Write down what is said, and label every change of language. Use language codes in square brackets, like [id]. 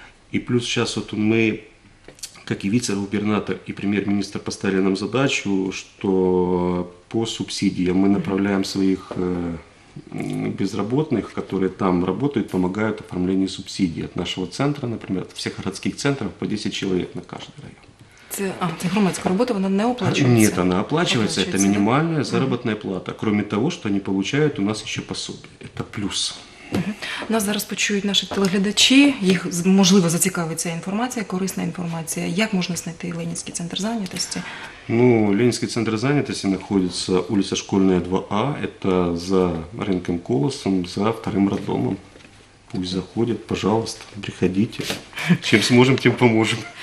[ru] И плюс сейчас вот мы, как и вице-губернатор, и премьер-министр поставили нам задачу, что по субсидиям мы направляем своих безработных, которые там работают, помогают в оформлении субсидий от нашего центра, например, от всех городских центров по 10 человек на каждый район. Это громадская работа, она не оплачивается? Нет, она оплачивается, это минимальная заработная плата. Кроме того, что они получают у нас еще пособие. Это плюс. [uk] Нас зараз почують наші телеглядачі, їх, можливо, зацікавить ця інформація, корисна інформація. Як можна знайти Ленінський центр зайнятості? Ну, Ленінський центр зайнятості знаходиться вулиця Школьна 2А, це за ринком Колосом, за вторим роддомом. [ru] Пусть заходят, пожалуйста, приходите. Чем сможем, тем поможем.